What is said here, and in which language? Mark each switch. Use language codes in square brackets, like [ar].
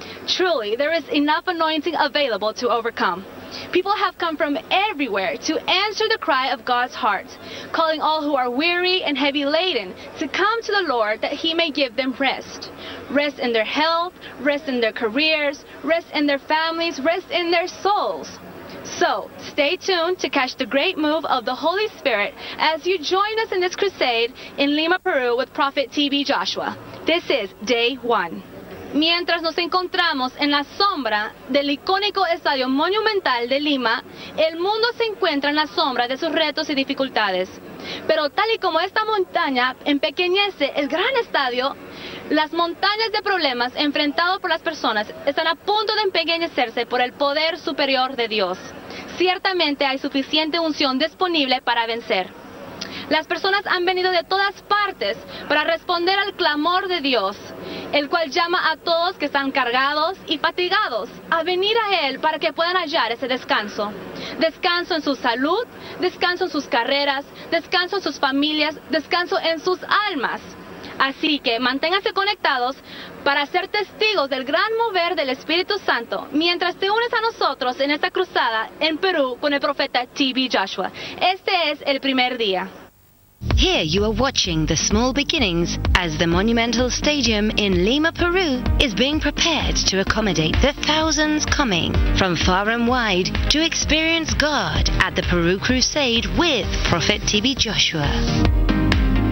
[en] Truly, there is enough anointing available to overcome. People have come from everywhere to answer the cry of God's heart, calling all who are weary and heavy laden to come to the Lord that He may give them rest. Rest in their health, rest in their careers, rest in their families, rest in their souls. So, stay tuned to catch the great move of the Holy Spirit as you join us in this crusade in Lima, Peru with Prophet TB Joshua. This is day one. [es] Mientras nos encontramos en la sombra del icónico Estadio Monumental de Lima, el mundo se encuentra en la sombra de sus retos y dificultades. Pero tal y como esta montaña empequeñece el gran estadio, las montañas de problemas enfrentados por las personas están a punto de empequeñecerse por el poder superior de Dios. Ciertamente hay suficiente unción disponible para vencer. Las personas han venido de todas partes para responder al clamor de Dios, el cual llama a todos que están cargados y fatigados a venir a Él para que puedan hallar ese descanso. Descanso en su salud, descanso en sus carreras, descanso en sus familias, descanso en sus almas. Así que manténganse conectados para ser testigos del gran mover del Espíritu Santo mientras te unes a nosotros en esta cruzada en Perú con el profeta TB Joshua. Este es el primer día. [en] Here you are watching the small beginnings as the monumental stadium in Lima, Peru is being prepared to accommodate the thousands coming from far and wide to experience God at the Peru Crusade with Prophet TB Joshua.